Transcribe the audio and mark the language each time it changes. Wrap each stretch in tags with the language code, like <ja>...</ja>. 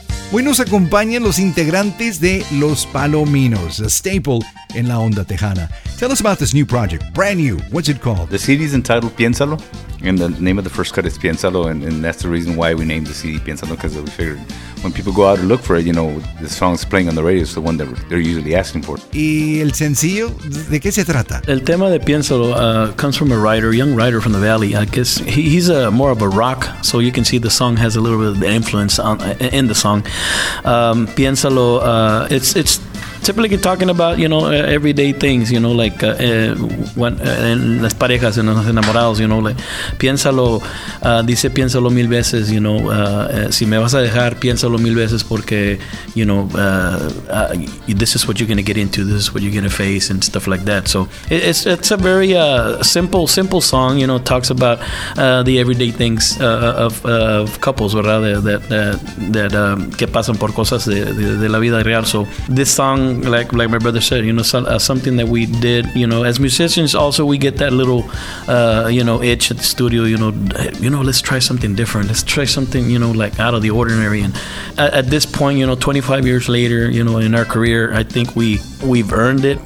<es>Hoy nos acompañan los integrantes de Los Palominos, a staple en la onda tejana.</es> <en>Tell us about this new project, brand new. What's it called? The CD is entitled Piénsalo, and the name of the first cut is Piénsalo, and that's the reason why we named the CD Piénsalo, because we figured when people go out and look for it, you know, the song's playing on the radio, it's the one that they're usually asking for.</en> <es>¿Y el sencillo? ¿De qué se trata?</es> <en>El tema de Piénsalo comes from a writer, young writer from the valley. I guess he's more of a rock, so you can see the song has a little bit of the influence in the song. Piénsalo, it's typically talking about, you know, everyday things, you know, like when las parejas, en los enamorados, you know, like, piénsalo, dice piénsalo mil veces, you know, si me vas a dejar, piénsalo mil veces porque, you know, this is what you're going to get into, this is what you're going to face and stuff like that. So it's a very simple song, you know, talks about the everyday things of couples, ¿verdad?</en> <es>That</es> <en>que pasan por cosas de la vida real. So this song, like my brother said, you know, something that we did, you know, as musicians also, we get that little you know, itch at the studio, you know let's try something different, let's try something, you know, like out of the ordinary. And at this point, you know, 25 years later, you know, in our career, I think we've earned it.</en>